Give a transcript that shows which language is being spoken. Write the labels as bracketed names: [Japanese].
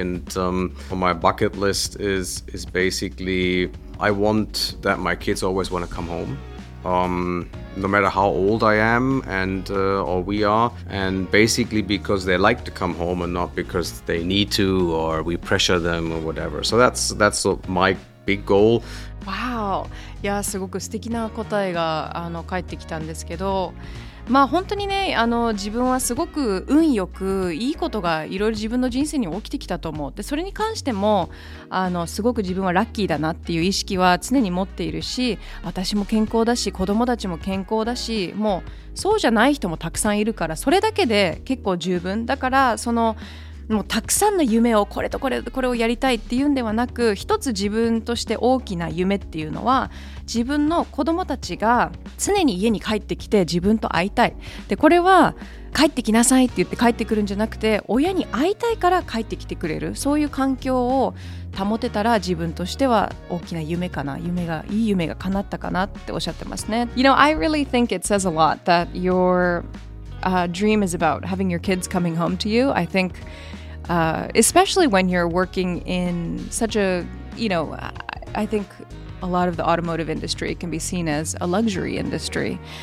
[English] And my bucket list is basically, I want that my kids always want to come home, no matter how old I am and or we are, and basically because they like to come home and not because they need to or we pressure them or whatever. So that's my big goal. [Japanese] Wow. いやすごく素敵な答えが返ってきたんですけど、まあ本当にね、自分はすごく運よくいいことがいろいろ自分の人生に起きてきたと思う。で、それに関してもすごく自分はラッキーだなっていう意識は常に持っているし、私も健康だし子供たちも健康だし、もうそうじゃない人もたくさんいるから、それだけで結構十分だから、そのもうたくさんの夢をこれとこれとこれをやりたいっていうんではなく、一つ自分として大きな夢っていうのは、自分の子供たちが常に家に帰ってきて自分と会いたい。で、これは帰ってきなさいって言って帰ってくるんじゃなくて、親に会いたいから帰ってきてくれる、そういう環境を保てたら自分としては大きな夢かな、夢がいい夢が叶ったかなっておっしゃってますね。 [English] You know, I really think it says a lot that your dream is about having your kids coming home to you. I think especially when you're working in such a, you know, I think a lot of the automotive industry can be seen as a luxury industry.